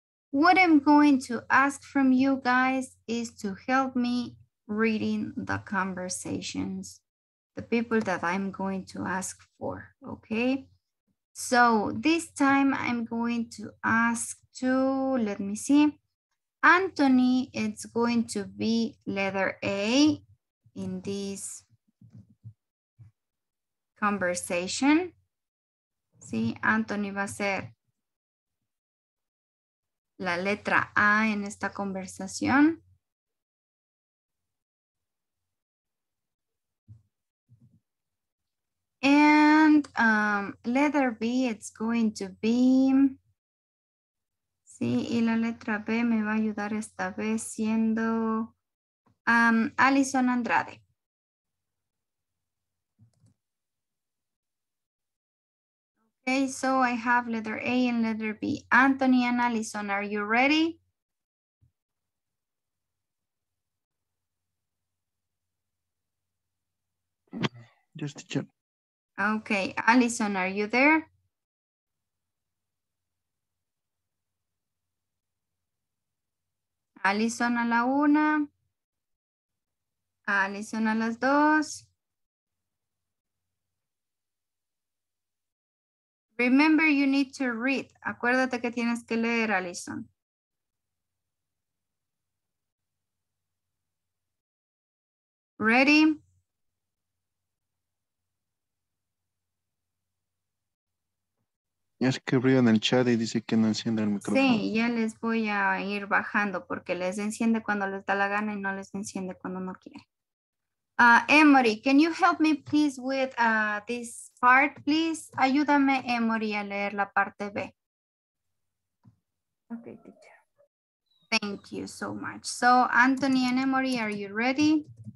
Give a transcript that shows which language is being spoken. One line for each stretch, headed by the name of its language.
English: What I'm going to ask from you guys is to help me reading the conversations, the people that I'm going to ask for, okay? So this time I'm going to ask to, let me see, Anthony, it's going to be letter A in this conversation.
Spanish: Sí, Anthony va a ser la letra A en esta conversación.
English: And letter B, it's going to be...
Spanish: Sí, y la letra B me va a ayudar esta vez siendo Alison Andrade.
English: Okay, so I have letter A and letter B. Anthony and Allison, are you ready? Just to check. Okay, Allison, are you there?
Spanish: Allison a la una. Allison a las dos.
English: Remember, you need to read.
Spanish: Acuérdate que tienes que leer,
English: Allison. Ready?
Spanish: Ya escribió en el chat y dice que no enciende el micrófono. Sí, ya les voy a ir bajando porque les enciende cuando les da la gana y no les enciende cuando no quiere.
English: Emory, can you help me please with this part, please?
Spanish: Ayúdame, Emory, a leer la parte B.
English: Okay, teacher. Thank you so much. So, Anthony and Emory, are you ready?